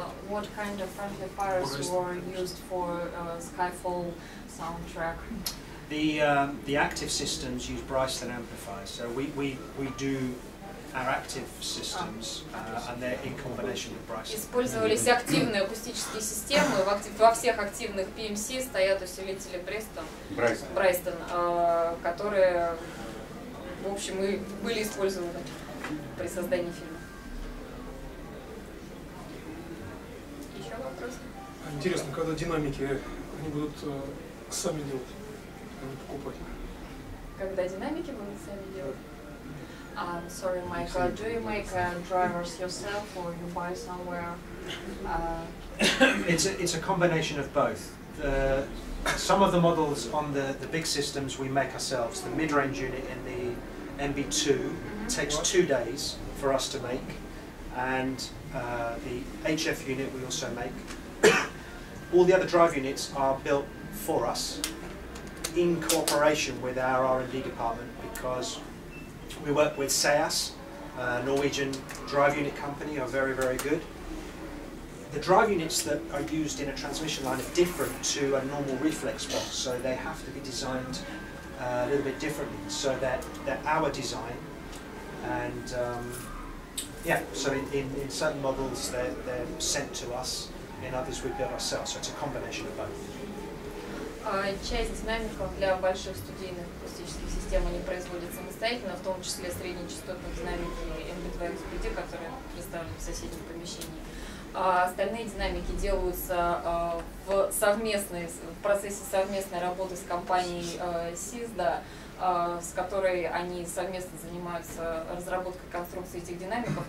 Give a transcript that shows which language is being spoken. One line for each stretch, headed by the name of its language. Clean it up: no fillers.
English: What kind of amplifiers were used for Skyfall soundtrack? The active systems use Bryson amplifiers. So we do our active systems and they're in combination with Bryson.
Russian: Использовались активные акустические системы. Во всех активных PMC стоят усилители Bryson, которые, в общем, и были использованы при создании фильма. Интересно, когда динамики они будут сами делать, а не покупать? Когда динамики будут сами делать?
English: Sorry, Mike, do you make drivers yourself or you buy somewhere? It's a combination of both. Some of the models on the big systems we make ourselves. The mid-range unit in the MB2 takes 2 days for us to make, and the HF unit we also make. All the other drive units are built for us in cooperation with our R&D department, because we work with SEAS, a Norwegian drive unit company, are very, very good. The drive units that are used in a transmission line are different to a normal reflex box, so they have to be designed a little bit differently, so that our design and so in certain models they're sent to us. In others we build ourselves, so it's a combination of both.
Russian: Часть динамиков для больших студийных акустических систем они производят самостоятельно, в том числе среднечастотных динамики MB2 XPD, которые представлены в соседнем помещении. Остальные динамики делаются в процессе совместной работы с компанией SISDA, с которой они совместно занимаются разработкой конструкции этих динамиков.